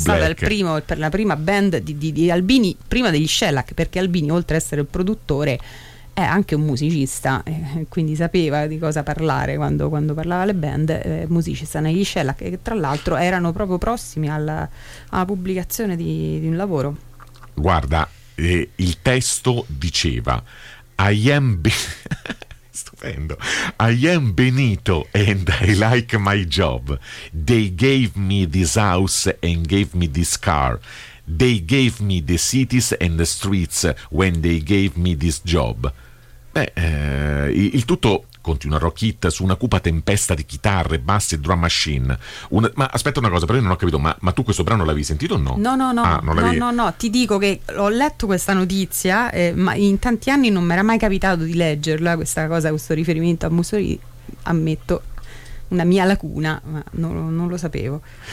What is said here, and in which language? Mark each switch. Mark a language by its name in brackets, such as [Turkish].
[Italian] Stata per la prima band di Albini, prima degli Shellac, perché Albini, oltre ad essere il produttore, è anche un musicista, quindi sapeva di cosa parlare quando parlava le band, musicista negli Shellac, che tra l'altro erano proprio prossimi alla pubblicazione di un lavoro. Guarda, il testo diceva [English] I am stupendo, I am Benito and I like my job, they gave me this house and gave me this car, they gave me the cities and the streets when they gave me this job. [Italian] Il tutto, continua Rock It, su una cupa tempesta di chitarre, bassi e drum machine. Ma aspetta una cosa, però io non ho capito, ma tu questo brano l'avevi sentito o no? No, ti dico che ho letto questa notizia, ma in tanti anni non mi era mai capitato di leggerla, questa cosa, questo riferimento a Mussolini, ammetto una mia lacuna, ma non lo sapevo.